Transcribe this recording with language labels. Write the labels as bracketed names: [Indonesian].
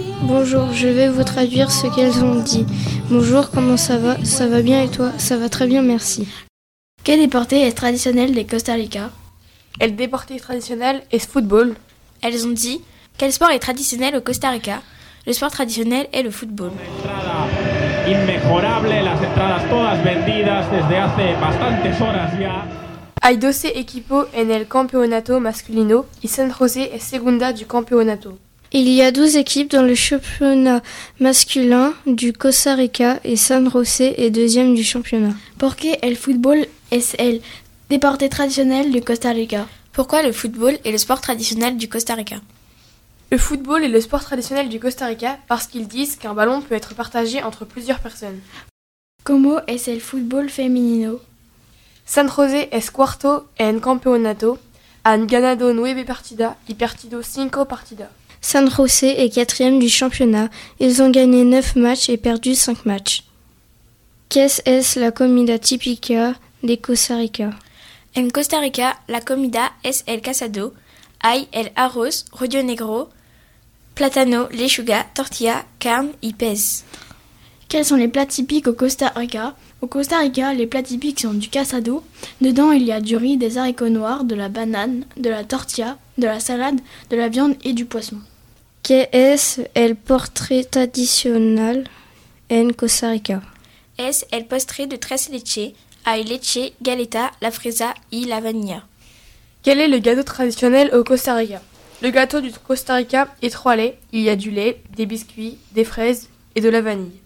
[French] Bonjour, je vais vous traduire ce qu'elles ont dit. Bonjour, comment ça va? Ça va bien et toi? Ça va très bien, merci. Quel [Spanish] deporte [French] est traditionnel des Costa Rica? [Spanish] El deporte traditionnel es fútbol. [French] Elles ont dit, quel sport est traditionnel au Costa Rica? Le sport traditionnel est le football. [Spanish] Inmejorable, las entradas todas vendidas desde hace bastantes horas ya. Hay 12 equipos en el campeonato masculino y San José es segunda du campeonato. [French] Il y a 12 équipes dans le championnat masculin du Costa Rica et San José est deuxième du championnat. Pourquoi [Spanish] el fútbol es el deporte tradicional du Costa Rica? [French] Pourquoi le football est le sport traditionnel du Costa Rica? Le football est le sport traditionnel du Costa Rica parce qu'ils disent qu'un ballon peut être partagé entre plusieurs personnes. [Spanish] ¿Cómo es el fútbol femenino? San José es cuarto en campeonato. Han ganado 9 partidas y perdido 5 partidas. San José est quatrième du championnat. Ils ont gagné 9 matchs et perdu 5 matchs. ¿Qué es la comida típica de Costa Rica? En Costa Rica, la comida es el casado. Hay el arroz, rollo negro, plátano, lechuga, tortilla, carne y pez. [French] Quels sont les plats typiques au Costa Rica? Au Costa Rica, les plats typiques sont du casado. Dedans, il y a du riz, des haricots noirs, de la banane, de la tortilla, de la salade, de la viande et du poisson. [Spanish] ¿Qué es el postre tradicional en Costa Rica? Es el postre de tres leches. Hay leche, galleta, la fresa y la vanilla. [French] Quel est le gâteau traditionnel au Costa Rica? Le gâteau du Costa Rica est trois laits. Il y a du lait, des biscuits, des fraises et de la vanille.